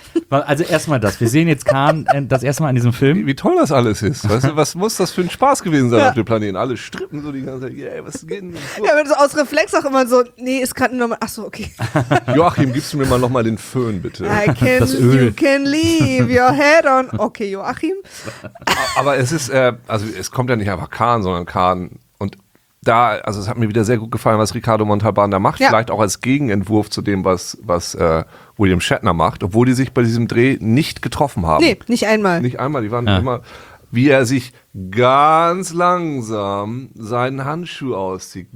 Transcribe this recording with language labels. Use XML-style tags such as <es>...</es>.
<de>Also erstmal das, wir sehen jetzt Khan das erste Mal in diesem Film. Wie toll das alles ist, weißt du, was muss das für ein Spaß gewesen sein auf dem Planeten? Alle strippen so die ganze Zeit, yeah, was geht denn? Ja, wenn du so aus Reflex auch immer so, nee, ist gerade nochmal, achso, okay. Joachim, gibst du mir mal nochmal den Föhn, bitte.</de> <en>You can leave your head on, okay, Joachim.</en> <de>Aber es ist, also es kommt ja nicht einfach Khan, sondern Khan. Und da, also es hat mir wieder sehr gut gefallen, was Ricardo Montalban da macht. Ja. Vielleicht auch als Gegenentwurf zu dem, was William Shatner macht, obwohl die sich bei diesem Dreh nicht getroffen haben. Nee, nicht einmal. Nicht einmal, die waren immer, wie er sich ganz langsam seinen Handschuh auszieht.</de>